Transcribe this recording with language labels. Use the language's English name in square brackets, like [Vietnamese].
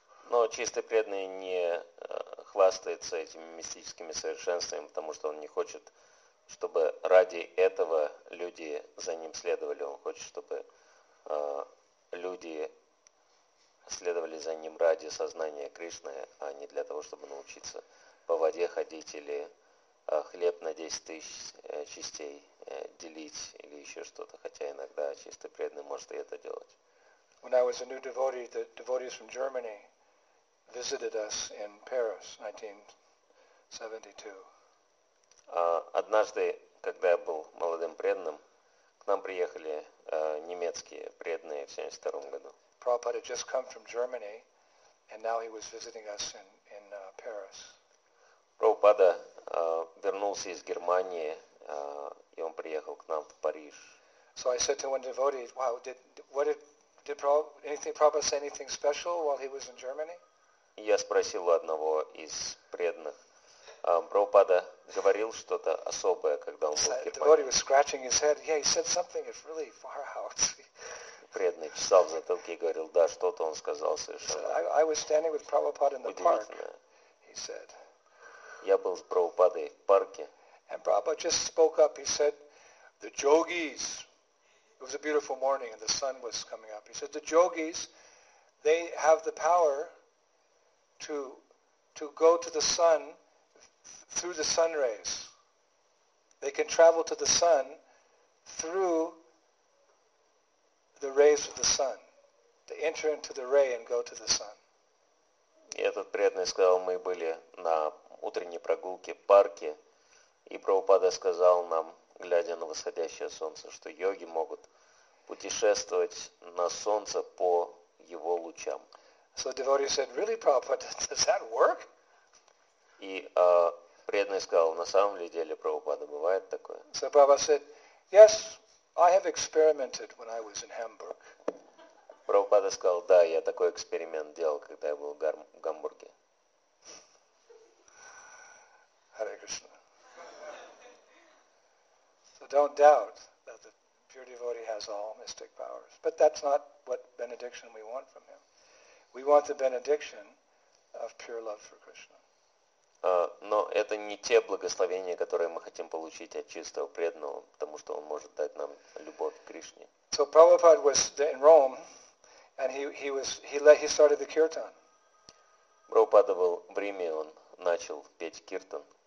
[Russian] Но чистый преданный не хвастается этими мистическими совершенствами, потому что он не хочет, чтобы ради этого люди за ним следовали. Он хочет, чтобы люди следовали за ним ради сознания Кришны, а не для того, чтобы научиться по воде ходить или хлеб на 10 тысяч частей делить или еще что-то, хотя иногда чистый преданный может и это делать. [English] When I was a new devotee, the devotees from Germany visited us in Paris, 1972. [Russian] Однажды, когда я был молодым преданным, к нам приехали немецкие преданные в 72 году. [English] Prabhupada had just come from Germany and now he was visiting us in Paris. [Russian] Прабхупада вернулся из Германии, и он приехал к нам в Париж. [English] So I said to one devotee, wow, did Prabhupada say anything special while he was in Germany? [Russian] Я спросил у одного из преданных, Прабхупада говорил что-то особое, когда он был в Германии? [English] The devotee was scratching his head. Yeah, he said something, it's really far out. [Russian] Преданный чесал в затылке и говорил, да, что-то он сказал совершенно. [English] I was standing with Prabhupada in the park, he said. [Russian] Я был с Прабхупадой в парке. [English] And Prabhupada just spoke up. He said, the yogis, it was a beautiful morning and the sun was coming up. He said, the yogis, they have the power to go to the sun through the sun rays. They can travel to the sun through the rays of the sun. They enter into the ray and go to the sun. [Russian] И этот преданный сказал, мы были на утренней прогулке в парке, и Прабхупада сказал нам, глядя на восходящее солнце, что йоги могут путешествовать на солнце по его лучам. [English] So the devotee said, really, Prabhupada, does that work? [Russian] И Преданный сказал, на самом ли деле, Прабхупада, бывает такое? [English] So Prabhupada said, yes, I have experimented when I was in Hamburg. [Russian] Прабхупада сказал, да, я такой эксперимент делал, когда я был в Гамбурге. [English] Hare Krishna. So don't doubt that the pure devotee has all mystic powers. But that's not what benediction we want from him. We want the benediction of pure love for Krishna. [Russian] Но это не те благословения, которые мы хотим получить от чистого преданного, потому что он может дать нам любовь к Кришне. [English] So Prabhupada was in Rome, and he started the kirtan. [Russian] Прабхупада был в Риме, он начал петь киртан.